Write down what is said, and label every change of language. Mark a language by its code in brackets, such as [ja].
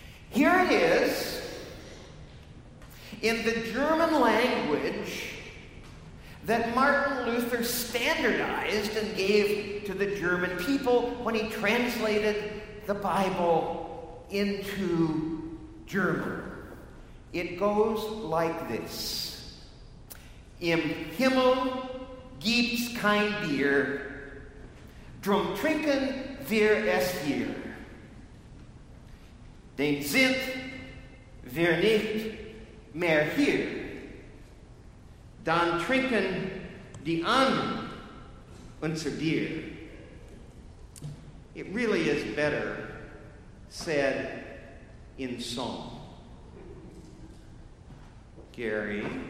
[en] Here it is, in the German language that Martin Luther standardized and gave to the German people when he translated the Bible into German. It goes like this: [de] Im Himmel gibt's kein Bier, drum trinken wir es hier. Denn sind wir nicht mehr hier, dann trinken die anderen unser Bier. [en] It really is better said in song. Gary.